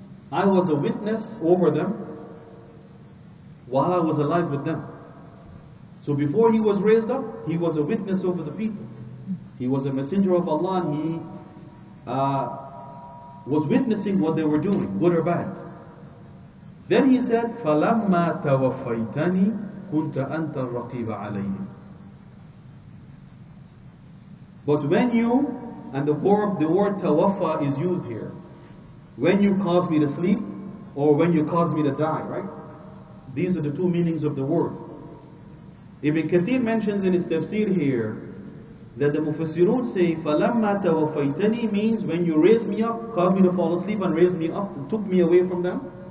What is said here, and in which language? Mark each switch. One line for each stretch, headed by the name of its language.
English: I was a witness over them while I was alive with them. So before He was raised up, He was a witness over the people. He was a messenger of Allah, and He was witnessing what they were doing, good or bad. Then He said,
Arabic: فَلَمَّا تَوَفَّيْتَنِي كُنْتَ أَنْتَ الرَّقِيبَ عَلَيْهِمْ.
English: But when you, and the word tawaffa is used here, when you cause me to sleep, or when you cause me to die, right? These are the two meanings of the word. Ibn Kathir mentions in his tafsir here, that the Mufassirun say,
Arabic: فَلَمَّا تَوَفَّيْتَنِي
English: means, when you raise me up, cause me to fall asleep and raise me up, and took me away from them.